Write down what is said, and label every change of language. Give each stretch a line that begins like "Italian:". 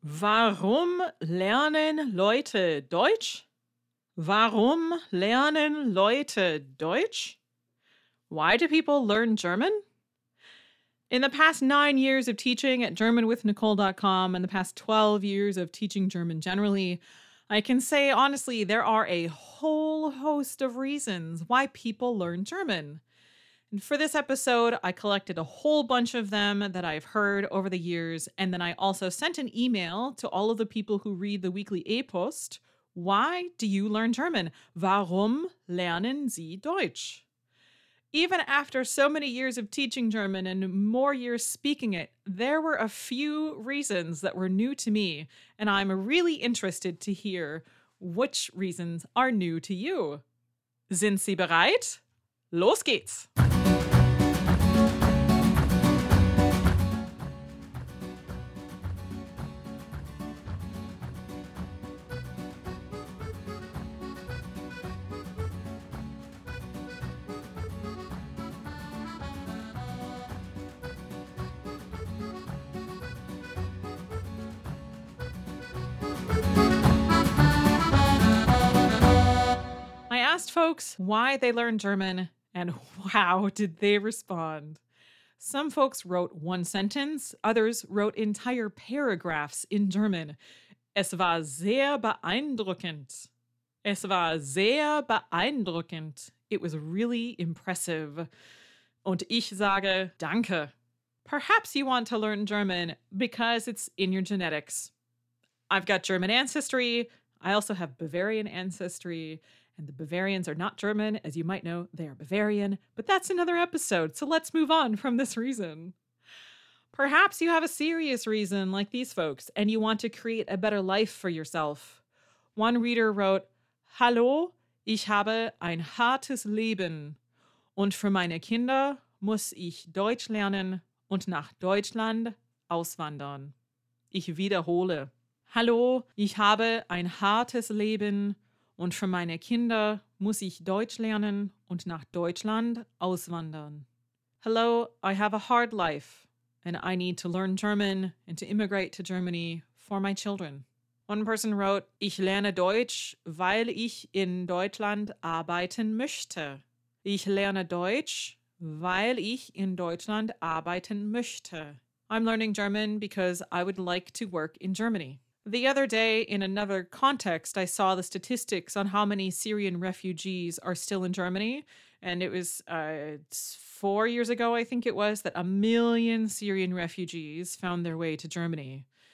German: Warum lernen Leute Deutsch? Warum lernen Leute Deutsch?
English: Why do people learn German? In the past 9 years of teaching at GermanWithNicole.com and the past 12 years of teaching German generally, I can say honestly there are a whole host of reasons why people learn German. And for this episode, I collected a whole bunch of them that I've heard over the years, and then I also sent an email to all of the people who read the weekly A-Post. Why do you learn German?
German: Warum lernen Sie Deutsch?
English: Even after so many years of teaching German and more years speaking it, there were a few reasons that were new to me, and I'm really interested to hear which reasons are new to you.
German: Sind Sie bereit? Los geht's!
English: Folks, why they learn German, and wow, did they respond. Some folks wrote one sentence, others wrote entire paragraphs in German.
German: Es war sehr beeindruckend. Es war sehr beeindruckend.
English: It was really impressive.
German: Und ich sage danke.
English: Perhaps you want to learn German because it's in your genetics. I've got German ancestry. I also have Bavarian ancestry. And the Bavarians are not German, as you might know, they are Bavarian, but that's another episode, so let's move on from this reason. Perhaps you have a serious reason, like these folks, and you want to create a better life for yourself. One reader wrote,
German: Hallo, ich habe ein hartes Leben, und für meine Kinder muss ich Deutsch lernen und nach Deutschland auswandern. Ich wiederhole, Hallo, ich habe ein hartes Leben, und für meine Kinder muss ich Deutsch lernen und nach Deutschland auswandern.
English: Hello, I have a hard life, and I need to learn German and to immigrate to Germany for my children. One person wrote,
German: Ich lerne Deutsch, weil ich in Deutschland arbeiten möchte. Ich lerne Deutsch, weil ich in Deutschland arbeiten möchte.
English: I'm learning German because I would like to work in Germany. The other day, in another context, I saw the statistics on how many Syrian refugees are still in Germany, and it was 4 years ago, I think it was, that 1 million Syrian refugees found their way to Germany.